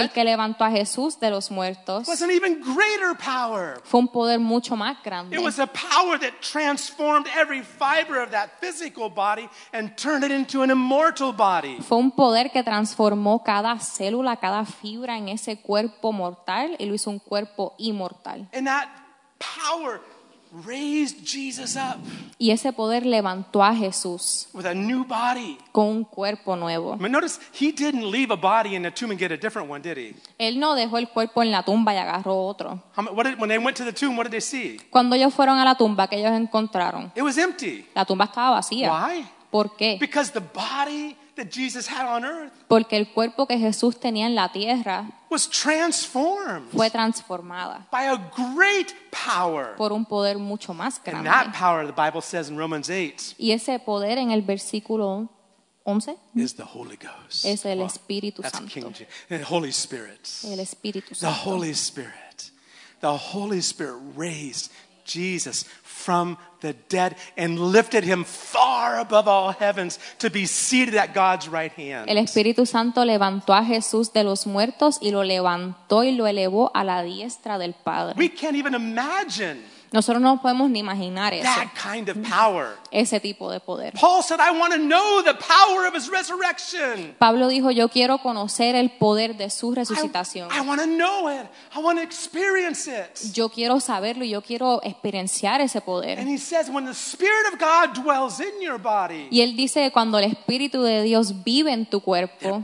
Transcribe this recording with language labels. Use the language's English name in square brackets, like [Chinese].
[Spanish] el que levantó a Jesús de los muertos, [English] was an even greater power. [Spanish] Fue un poder mucho más grande. [English] It was a power that transformed every fiber of that physical body and turned it into an immortal body. [Spanish] Fue un poder que transformó cada célula, cada fibra en ese cuerpo mortal y lo hizo un cuerpo inmortal. [English] And that power raised Jesus up. [Spanish] Y ese poder levantó a Jesús [English] with a new body. [Spanish] Con un cuerpo nuevo. [English] But notice he didn't leave a body in a tomb and get a different one, did he? [Spanish] Él no dejó el cuerpo en la tumba y agarró otro. [English] When they went to the tomb, what did they see? [Spanish] Cuando ellos fueron a la tumba, ¿qué ellos encontraron? [English] It was empty. [Spanish] La tumba estaba vacía. [English] Why? [Spanish] ¿Por qué? [English] Because the body that Jesus had on earth, [Spanish] porque el cuerpo que Jesús tenía en la tierra, [English] was transformed, [Spanish] fue transformada, [English] by a great power, [Spanish] por un poder mucho más grande. [English] And that power, the Bible says in Romans 8, [Spanish] y ese poder en el versículo 11, [English] is the Holy Ghost, [Spanish] es el Espíritu Santo. [English] That's King James. And the Holy Spirit, [Spanish] el Espíritu Santo. [English] The Holy Spirit raised Jesus from the dead and lifted him far above all heavens to be seated at God's right hand. [Spanish] El Espíritu Santo levantó a Jesús de los muertos y lo levantó y lo elevó a la diestra del Padre. [English] We can't even imagine. [Spanish] Nosotros no podemos ni imaginar eso. [English] That kind of power. [Spanish] Ese tipo de poder. [English] Paul said, "I want to know the power of his resurrection." [Spanish] Pablo dijo, "Yo quiero conocer el poder de su resucitación." [English] I want to know it. I want to experience it. [Spanish] Yo quiero saberlo y yo quiero experienciar ese poder. [English] And he says, "When the Spirit of God dwells in your body." [Spanish] Y él dice, cuando el Espíritu de Dios vive en tu cuerpo.